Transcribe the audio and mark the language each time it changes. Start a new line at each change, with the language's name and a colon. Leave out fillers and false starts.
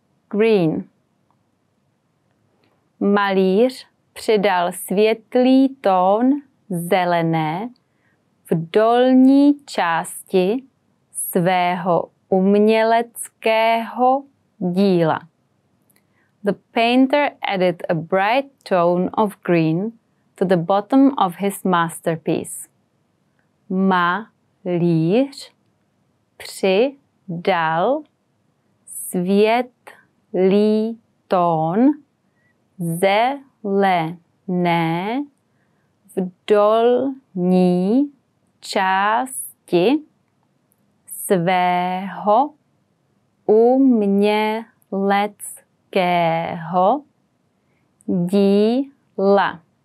English: Green.
Czech: Malíř přidal světlý tón zelené v dolní části svého uměleckého díla.
English: The painter added a bright tone of green to the bottom of his masterpiece.
Czech: Malíř přidal světlý tón zelené v dolní části svého uměleckého díla.